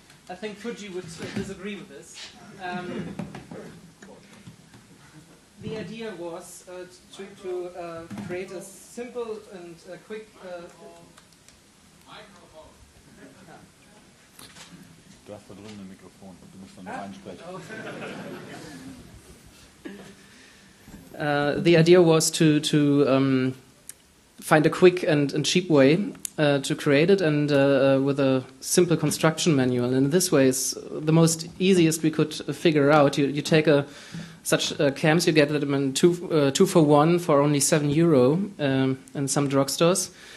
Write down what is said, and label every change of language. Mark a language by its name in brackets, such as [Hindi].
[English] I think Fuji would disagree with this. The idea was to create a simple and a quick... [German] Du hast da drüben ein Mikrofon, du musst dann noch einsprechen. [English] The idea was to find a quick and cheap way to create it, and with a simple construction manual. And this way is the most easiest we could figure out. You take cams, you get them in two for one for only €7 in some drugstores.